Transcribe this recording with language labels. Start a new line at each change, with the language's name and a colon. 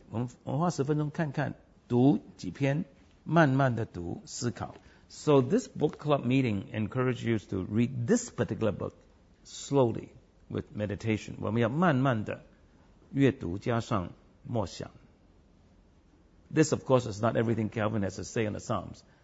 Chinese: 我们花十分钟看看，读几篇，慢慢的读，思考。
English: So this book club meeting encourages you to read this particular book slowly with meditation.
Chinese: 我们要慢慢的阅读加上默想。
English: This of course is not everything Calvin has to say in the Psalms.